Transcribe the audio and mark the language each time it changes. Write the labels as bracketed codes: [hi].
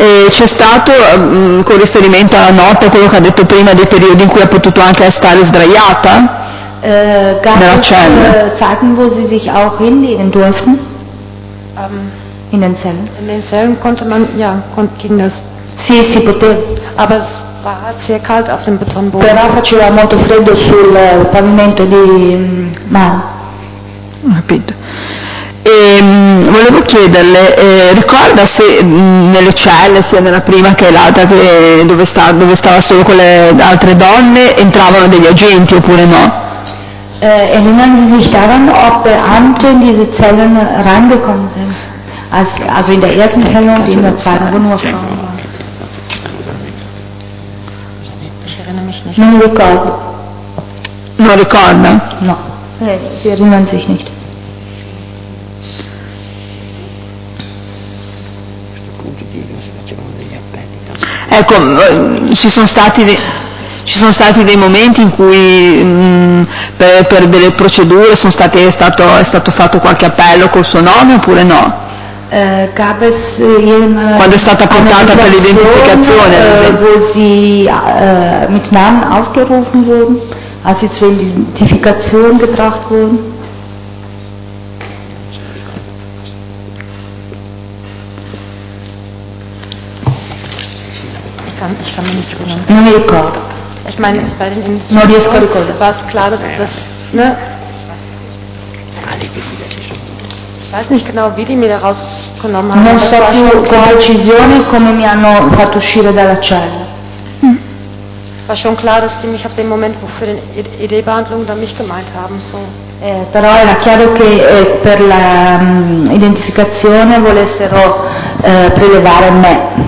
[it] C'è stato, con riferimento alla notte, quello che ha detto prima, dei periodi in cui ha potuto anche stare sdraiata? Nella cella. [de] Zeiten, wo sie sich auch hinlegen durften? In den Zellen? In den Zellen konnte man, ja, ging das. [it] Sì, si poteva. [de] Aber es war sehr kalt auf dem Betonboden. [it] Però faceva molto freddo sul pavimento di marmo. Capito. E, volevo chiederle, ricorda se nelle celle, sia nella prima che l'altra, che dove stava solo con le altre donne, entravano degli agenti oppure no? [de] Erinnern Sie sich daran, ob Beamte in diese Zellen reingekommen sind? Also in der ersten Zelle und in der zweiten, wo nur Frauen waren? Ich erinnere mich nicht. [it] Non ricordo. Non ricorda? No. [de] Sie erinnern sich nicht. [it] Ecco, ci sono stati dei momenti in cui per delle procedure è stato fatto qualche appello col suo nome oppure no? [de] Gab es in, [it] quando è stata portata per l'identificazione, [de] wo sie mit Namen aufgerufen wurden, als sie zur Identifikation gebracht wurden? [it] Non mi ricordo. Non riesco a ricordare. [de] War es klar, dass das, ne? Ich weiß nicht genau, wie die mir da rausgenommen haben. [it] Non so più con precisione come mi hanno fatto uscire dalla cella. [de] War schon klar, dass die mich auf dem Moment für den ED-Behandlung dann mich gemeint haben. So. [it] Però era chiaro che per la identificazione volessero prelevare me.